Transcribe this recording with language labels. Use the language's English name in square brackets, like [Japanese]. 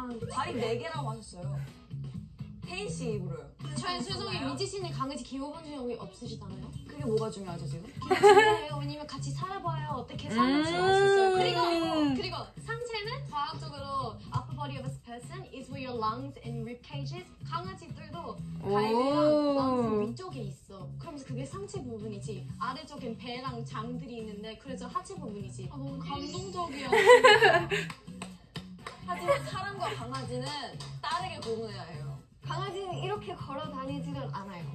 [Korean] 다리 네 개라고 하셨어요. 헤이시 입으로요. 저희 죄송해요. 미지 씨는 강아지 키워본 적이 없으시잖아요. 그게 뭐가 중요하죠 지금? 중요해요. 왜냐면 같이 살아봐요. 어떻게 사는지 아셨어요. 그리고 상체는 과학적으로 [English] upper body of a person is where your lungs and rib cages. [Korean] 강아지들도 갈비랑 lungs 위쪽에 있어. 그럼 그게 상체 부분이지. 아래쪽엔 배랑 장들이 있는데 그래서 하체 부분이지. 아, 너무 감동적이야. 하지만 사람과 강아지는 다르게 구분해야 해요. 강아지는 이렇게 걸어 다니지를 않아요.